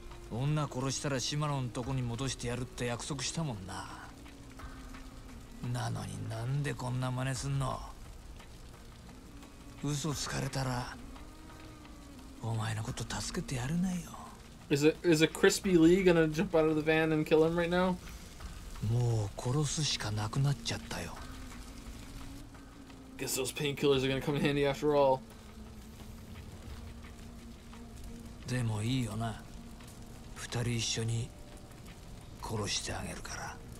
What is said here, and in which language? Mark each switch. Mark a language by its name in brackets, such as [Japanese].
[Japanese] 女殺したら島野のとこに戻してやるって約束したもんな。なのになんでこんな真似すんの？嘘つかれたらお前のこと助けてやれないよ。 [English] Is a crispy Lee gonna jump out of the van and kill him right now? [Japanese] もう殺すしかなくなっちゃったよ。 [English] Guess those painkillers are gonna come in handy after all. [Japanese] でもいいよな。二人一緒に殺してあげるから。